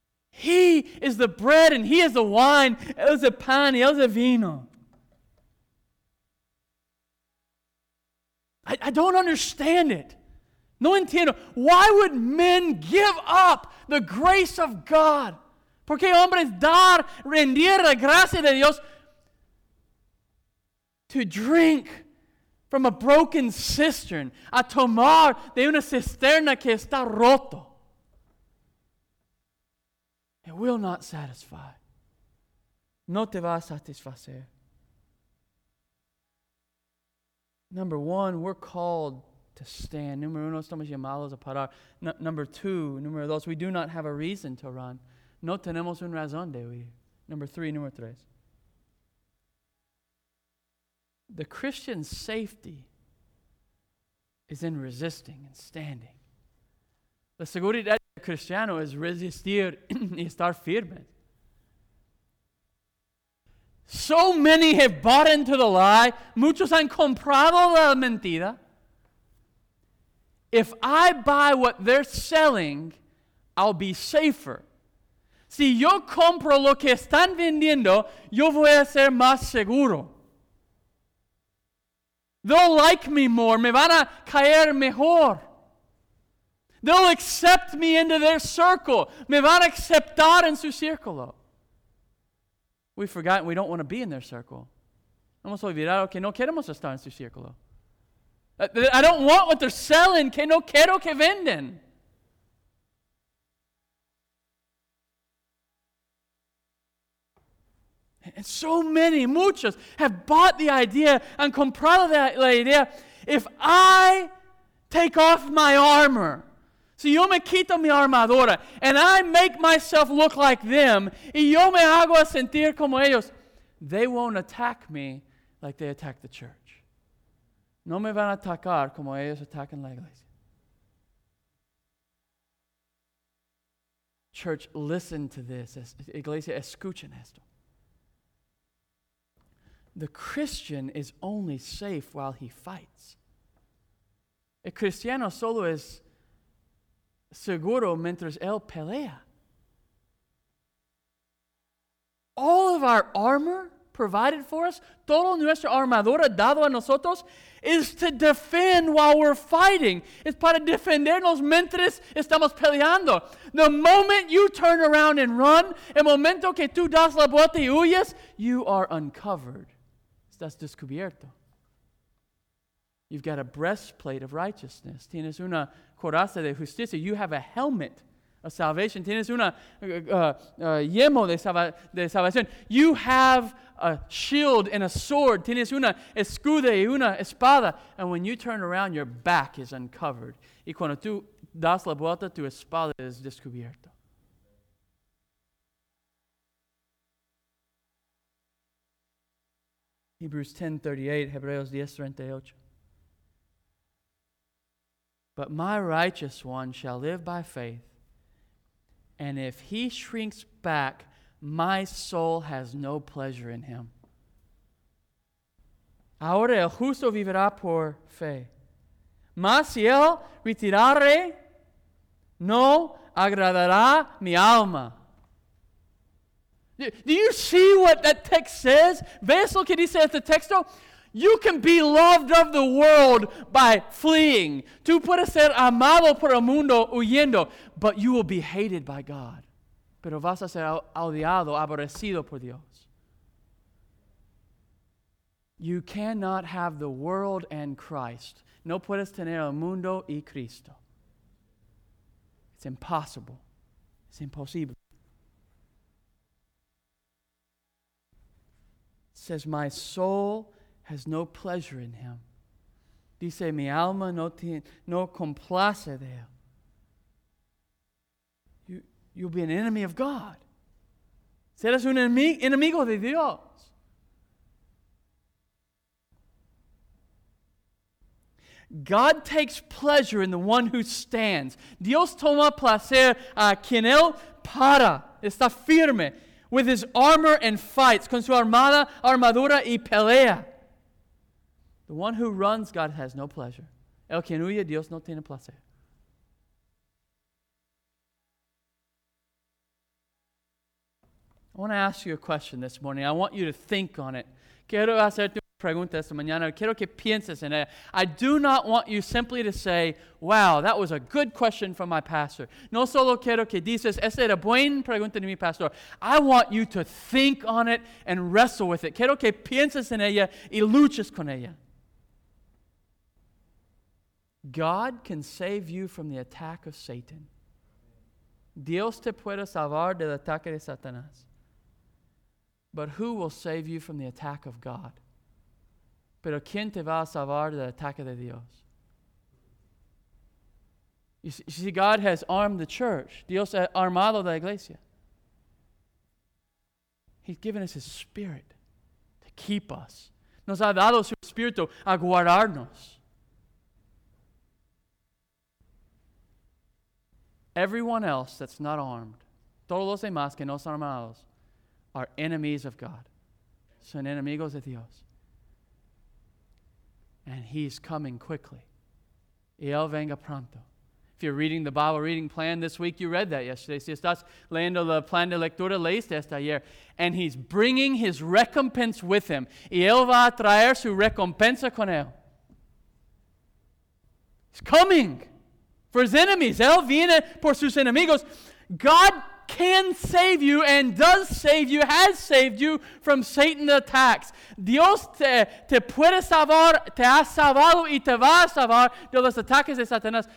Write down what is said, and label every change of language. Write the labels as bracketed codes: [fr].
[en] He is the bread and he is the wine. [es] Él es el pan y él es el vino. [en] I don't understand it. [es] No entiendo. [en] Why would men give up the grace of God? [es] ¿Por qué hombres dar, rendir la gracia de Dios [en] to drink from a broken cistern, [es] a tomar de una cisterna que está roto. [en] It will not satisfy. [es] No te va a satisfacer. [en] Number one, we're called to stand. [es] Número uno, estamos llamados a parar. Número dos, [en] we do not have a reason to run. [es] No tenemos una razón de huir. [en] Número tres. The Christian's safety is in resisting and standing. [es] La seguridad del cristiano es resistir y estar firme. [en] So many have bought into the lie. [es] Muchos han comprado la mentira. [en] If I buy what they're selling, I'll be safer. [es] Si yo compro lo que están vendiendo, yo voy a ser más seguro. [en] They'll like me more. [es] Me van a caer mejor. [en] They'll accept me into their circle. [es] Me van a aceptar en su círculo. [en] We've forgotten we don't want to be in their circle. [es] Hemos olvidado que no queremos estar en su círculo. [en] I don't want what they're selling. [es] Que no quiero que venden. [en] And so many, [es] muchos, [en] have bought the idea and [es] comprado la idea. [en] If I take off my armor, [es] si yo me quito mi armadura, [en] and I make myself look like them, [es] y yo me hago a sentir como ellos, [en] they won't attack me like they attack the church. [es] No me van a atacar como ellos atacan la iglesia. [en] Church, listen to this. [es] Iglesia, escuchen esto. [en] The Christian is only safe while he fights. [es] El cristiano solo es seguro mientras él pelea. [en] All of our armor provided for us, [es] toda nuestra armadura dado a nosotros, [en] is to defend while we're fighting. [es] Es para defendernos mientras estamos peleando. [en] The moment you turn around and run, [es] el momento que tú das la vuelta y huyes, [en] you are uncovered. [es] Estás descubierto. [en] You've got a breastplate of righteousness. [es] Tienes una coraza de justicia. [en] You have a helmet of salvation. [es] Tienes una yelmo de salvación. [en] You have a shield and a sword. [es] Tienes una escudo y una espada. [en] And when you turn around, your back is uncovered. [es] Y cuando tú das la vuelta, tu espada es descubierta. [en] Hebrews 10:38, Hebreos 10:38. But my righteous one shall live by faith, and if he shrinks back, my soul has no pleasure in him. [es] Ahora el justo vivirá por fe. Mas si él retirare, no agradará mi alma. [en] Do you see what that text says? [es] ¿Ves lo que dice este texto? [en] You can be loved of the world by fleeing. [es] Tú puedes ser amado por el mundo huyendo, [en] but you will be hated by God. [es] Pero vas a ser odiado, aborrecido por Dios. [en] You cannot have the world and Christ. [es] No puedes tener el mundo y Cristo. [en] It's impossible. It's impossible. Says, my soul has no pleasure in him. [es] Dice, mi alma no complace de él. [en] You'll be an enemy of God. [es] Serás un enemigo de Dios. [en] God takes pleasure in the one who stands. [es] Dios toma placer a quien él para, está firme. [en] With his armor and fights, [es] con su armada, armadura y pelea. [en] The one who runs, God has no pleasure. [es] El quien huye, Dios no tiene placer. [en] I want to ask you a question this morning. I want you to think on it. [es] Quiero hacerte una pregunta esta mañana. Quiero que pienses en ella. [en] I do not want you simply to say, wow, that was a good question from my pastor. [es] No solo quiero que dices, esa era buena pregunta de mi pastor. [en] I want you to think on it and wrestle with it. [es] Quiero que pienses en ella y luches con ella. [en] God can save you from the attack of Satan. [es] Dios te puede salvar del ataque de Satanás. [en] But who will save you from the attack of God? [es] Pero quién te va a salvar del ataque de Dios? [en] You see, God has armed the church. [es] Dios ha armado la iglesia. [en] He's given us His Spirit to keep us. [es] Nos ha dado su Espíritu a guardarnos. [en] Everyone else that's not armed, [es] todos los demás que no son armados, [en] are enemies of God. [es] Son enemigos de Dios. [en] And He's coming quickly. [es] Y Él venga pronto. [en] If you're reading the Bible reading plan this week, you read that yesterday. [es] Si estás leyendo el plan de lectura, leíste hasta ayer. [en] And He's bringing His recompense with Him. [es] Y Él va a traer su recompensa con Él. [en] He's coming for His enemies. [es] Él viene por sus enemigos. [en] God can save you and does save you, has saved you from Satan's attacks. [es] Dios te puede salvar, te ha salvado y te va a salvar de los ataques de Satanás.